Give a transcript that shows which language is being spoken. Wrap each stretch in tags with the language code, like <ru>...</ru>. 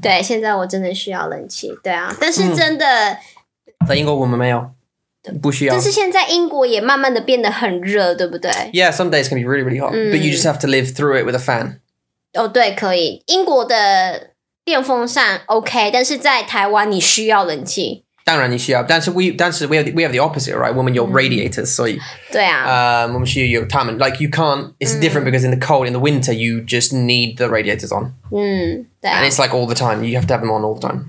<zh>对,现在我真的需要冷气,对啊。但是真的... 在英国我们没有。不需要, 但是现在英国也慢慢的变得很热, 对不对?</zh> <en>Yeah, some days can be really, really hot. But you just have to live through it with a fan.</en> <zh>哦,对,可以。英国的电风扇OK, 但是在台湾你需要冷气。当然你需要, 但是</zh> <en>we have, we have the opposite, right?</en> <zh>我们有 radiators, 所以, 对啊, 我们需要有他们,</zh> <en>like you can't, it's different because in the cold, in the winter, you just need the radiators on.</en> <zh>嗯,对啊。</zh> <en>And it's like all the time, you have to have them on all the time.</en>